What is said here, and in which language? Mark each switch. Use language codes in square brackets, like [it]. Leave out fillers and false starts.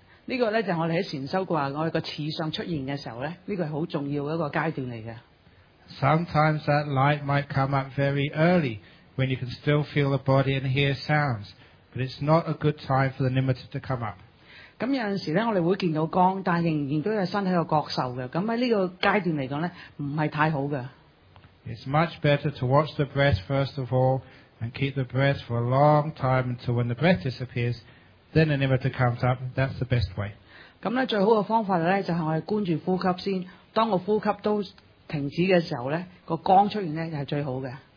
[zh] 呢个咧就我哋喺禅修话，我哋个次相出现嘅时候咧，呢个系好重要嘅一个阶段嚟嘅。 [en] Sometimes that light might come up very early when you can still feel the body and hear sounds, but it's not a good time for the nimitta to come up. [zh] 咁有阵时咧，我哋会见到光，但仍然都有身体有觉受嘅。咁喺呢个阶段嚟讲咧，唔系太好嘅。 [en] It's much better to watch the breath first of all and keep the breath for a long time until when the breath disappears, then the nimitta comes up. That's the best way. [zh] 咁咧最好嘅方法咧就系我哋观住呼吸先，当个呼吸都。停止嘅时候咧，个光出现咧就系最好嘅。